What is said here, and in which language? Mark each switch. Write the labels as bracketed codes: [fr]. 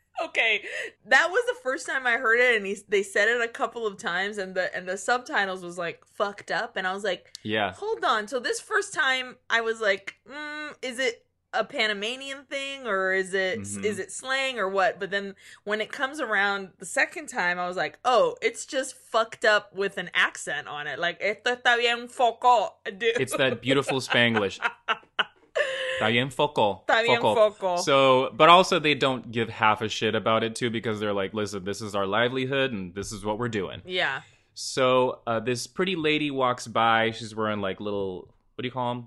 [en] Okay, that was the first time I heard it, and they said it a couple of times, and the subtitles was like, fucked up, and I was like, yeah. Hold on. So this first time, I was like, is it a Panamanian thing, or is it is it slang, or what? But then when it comes around the second time, I was like, oh, it's just fucked up with an accent on it. Like, [es] esto está bien, [en] fuck up, dude. It's that beautiful Spanglish. [es] Está bien foco. [en] So, but also they don't give half a shit about it too because they're like, listen, this is our livelihood and this is what we're doing. Yeah. So this pretty lady walks by. She's wearing like little what do you call them?